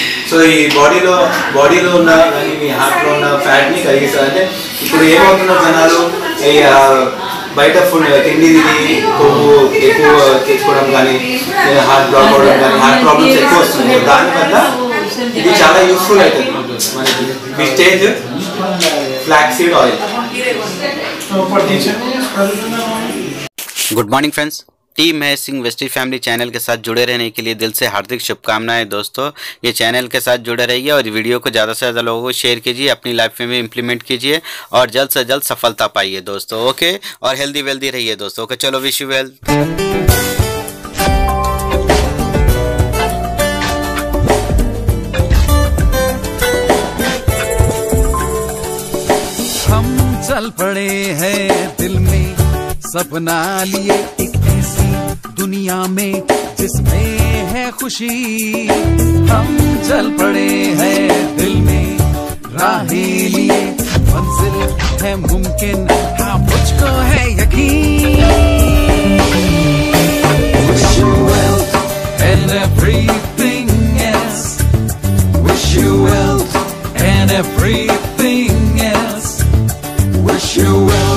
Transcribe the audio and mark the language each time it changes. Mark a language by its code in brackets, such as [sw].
[te] So ఈ బాడీలో ఉన్న కానీ మీ హార్ట్లో ఉన్న ఫ్యాట్ని కరిగిస్తారంటే, ఇప్పుడు ఏమవుతున్నారు జనాలు, ఈ బయట ఫుడ్ తిండి తిని కొవ్వు ఎక్కువ తీసుకోవడం కానీ, హార్ట్ బ్లాక్ అవ్వడం కానీ, హార్ట్ ప్రాబ్లమ్స్ ఎక్కువ వస్తుంది. దానివల్ల ఇది చాలా యూస్ఫుల్ అవుతుంది మనకి, విస్టేజ్ flaxseed oil. [en] Good morning friends. [hi] T Mahesh Singh Vestige family channel के साथ जुड़े रहने के लिए दिल से हार्दिक शुभकामनाएं. दोस्तों ये चैनल के साथ जुड़े रहिए और वीडियो को ज़्यादा से ज़्यादा लोगों को शेयर कीजिए, अपनी लाइफ में भी इंप्लीमेंट कीजिए और जल्द से जल्द सफलता पाइए दोस्तों. ओके, और हेल्दी वेल्दी रहिए दोस्तों. ओके, चलो विश यू वेल. हम चल पड़े हैं दिल में सपना लिए दुनिया में जिसमें है खुशी. हम चल पड़े हैं दिल में राहें लिए मंजिल. है मुमकिन, हाँ मुझको है यकीन। [en] Wish you well and everything else. Wish you well and everything else. Wish you well.